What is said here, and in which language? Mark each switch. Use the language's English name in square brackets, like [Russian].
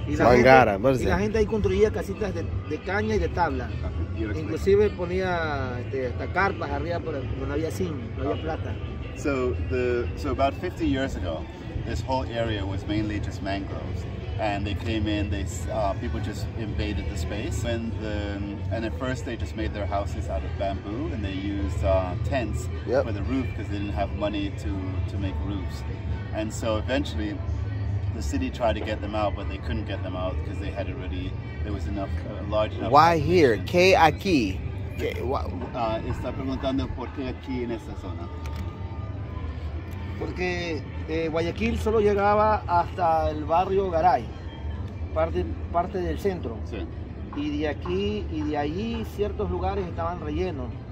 [Spanish] Y la gente ahí construía casitas de caña y de tabla, inclusive ponía hasta carpas arriba, pero no había zinc, no había plata. [English] So about 50 years ago, this whole area was mainly just mangroves. and they came in, they people just invaded the space. And at first they just made their houses out of bamboo, and they used tents for the roof because they didn't have money to make roofs. And so eventually the city tried to get them out, but they couldn't get them out because they had already, there was enough, large enough. Why here? [Spanish] Que aquí? Está preguntando por qué aquí en esta zona. Porque Guayaquil solo llegaba hasta el barrio Garay, parte del centro. Sí. Y de aquí y de allí ciertos lugares estaban rellenos.